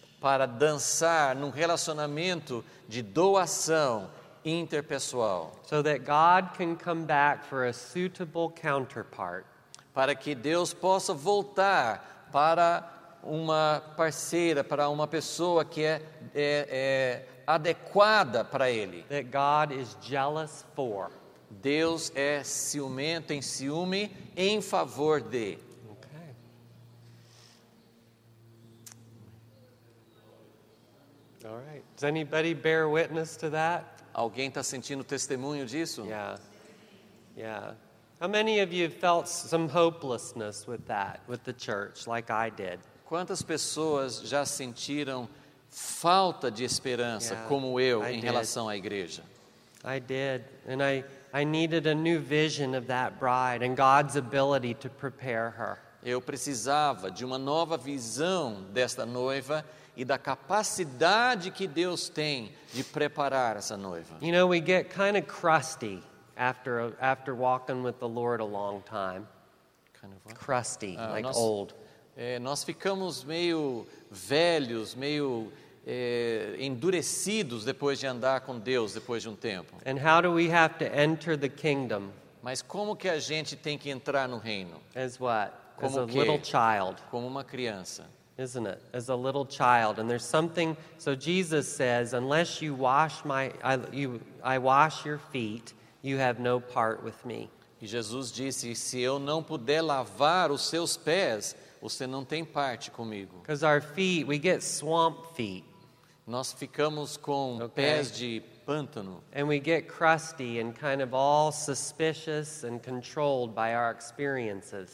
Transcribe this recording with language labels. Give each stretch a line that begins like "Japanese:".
Portuguese: Para dançar num relacionamento de doação interpessoal.
English: So that God can come back for a suitable counterpart.
Portuguese: Para que Deus possa voltar para uma parceira, para uma pessoa que é adequada para Ele.
English: That God is jealous for.
Portuguese: Deus é ciumento, em ciúme, em favor de.
English: Okay. All right. Does anybody bear witness to that?
Portuguese: Alguém está sentindo testemunho disso?
English: Yeah. Yeah. How many of you felt some hopelessness with that, with the church, like I did?
Portuguese: Quantas pessoas já sentiram falta de esperança, yeah, como eu, em relação à igreja?
English: I did, and I needed a new vision of that bride and God's ability to prepare her.
Portuguese: Eu precisava de uma nova visão desta noiva e da capacidade que Deus tem de preparar essa noiva.
English: You know, we get kind of crusty after walking with the Lord a long time. Kind of what? Crusty, like nós, old.
Portuguese: Nós ficamos meio velhos, meio endurecidos depois de andar com Deus depois de tempo.
English: And how do we have to enter the kingdom?
Portuguese: Mas como que a gente tem que entrar no reino?
English: As what?
Portuguese: Como
English: as a little child.
Portuguese: Como uma criança.
English: Isn't it? As a little child. And there's something, so Jesus says, unless you wash I wash your feet, you have no part with me.
Portuguese: E Jesus disse, se eu não puder lavar os seus pés, você não tem parte comigo.
English: Because our feet, we get swamp feet.
Portuguese: Nós ficamos com pés de pântano.
English: And we get crusty and kind of all suspicious and controlled by our experiences.